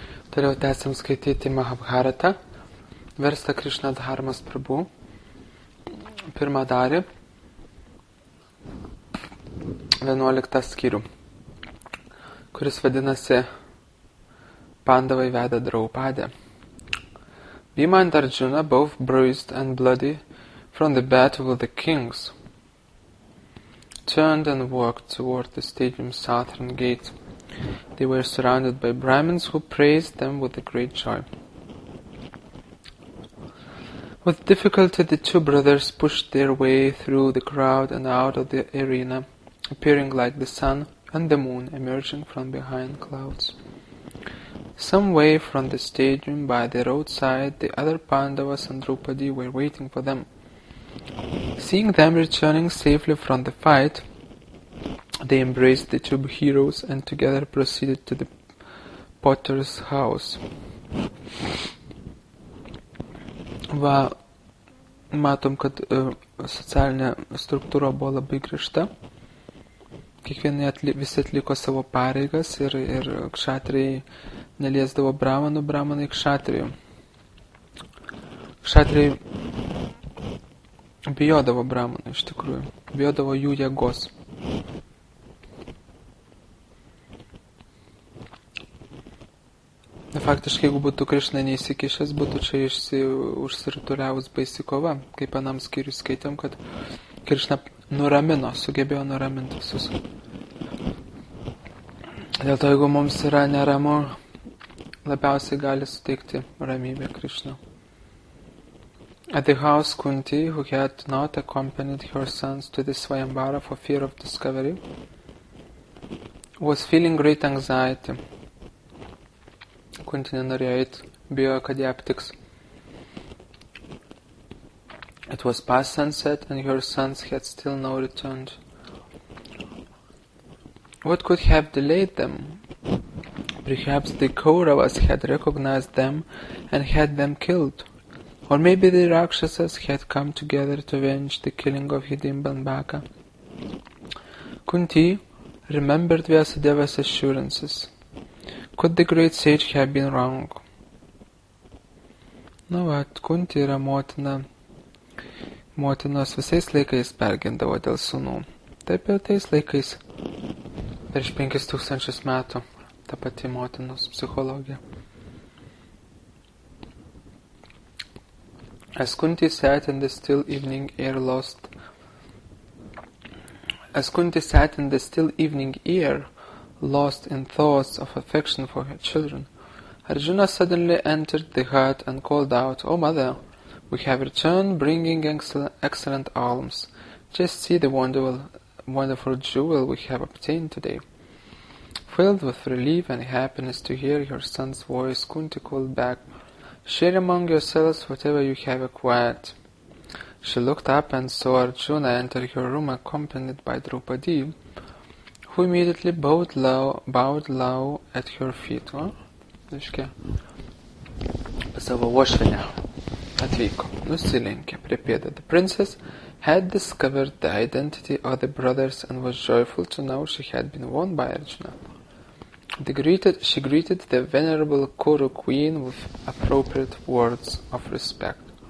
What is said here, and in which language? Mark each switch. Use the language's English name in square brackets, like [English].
[Lithuanian] Toliau tęsiam skaityti Mahabharatą, verstą Krishna Dharmas Prabhu, pirmą dalį, 11 skyrių, kuris vadinasi Pandavai veda Draupadę. [English] Bhima and Arjuna, both bruised and bloody from the battle with the kings, turned and walked toward the stadium's southern gate. They were surrounded by Brahmins who praised them with a great joy. With difficulty, the two brothers pushed their way through the crowd and out of the arena, appearing like the sun and the moon emerging from behind clouds. Some way from the stadium by the roadside, the other Pandavas and Draupadi were waiting for them. Seeing them returning safely from the fight, they embraced the two heroes and together proceeded to the potter's house. [Lithuanian] Va, matom, kad socialinė struktūra buvo labai griežta. Kiekvieni visi atliko savo pareigas ir kšatrijai neliesdavo brahmanų, brahmanai kšatrijų. Kšatrijai bijodavo brahmanų, iš tikrųjų. Bijodavo jų jėgos. Faktiškai, jeigu būtų Krišna neįsikišęs, būtų čia užsirituliavus baisi kova. Kaip anam skyriu skaitėm, kad Krišna nuramino, sugebėjo nuraminti visus. Dėl to, jeigu mums yra neramu, labiausiai gali suteikti ramybę Krišna. [English] At the house, Kunti, who had not accompanied her sons to the Svayambara for fear of discovery, was feeling great anxiety. [Lithuanian] Kunti nenorėjo eiti, bijojo, kad ją aptiks. [English] It was past sunset and her sons had still no return. What could have delayed them? Perhaps the Kauravas had recognized them and had them killed. Or maybe the Rakshasas had come together to avenge the killing of Hidimba and Baka. Kunti remembered Vyasadeva's assurances. Could the great sage have been wrong? [Lithuanian] Nu, vat, Kunti yra motina. Motinos visais laikais pergindavo dėl sūnų. Taip ir tais laikais. Prieš 5000 metų ta pati motinos psichologija. [English] As Kunti sat in the still evening air lost. As Kunti sat in the still evening air, lost in thoughts of affection for her children, Arjuna suddenly entered the hut and called out, O mother, we have returned bringing excellent alms. Just see the wonderful jewel we have obtained today. Filled with relief and happiness to hear your son's voice, Kunti called back, Share among yourselves whatever you have acquired. She looked up and saw Arjuna enter her room accompanied by Draupadi, who immediately bowed low at her feet. [Lithuanian] Reiškia, savo uošvinę atvyko, nusilenkė prie pėdą. [English] The princess had discovered the identity of the brothers and was joyful to know she had been won by Arjuna. She greeted the venerable Kuru queen with appropriate words of respect.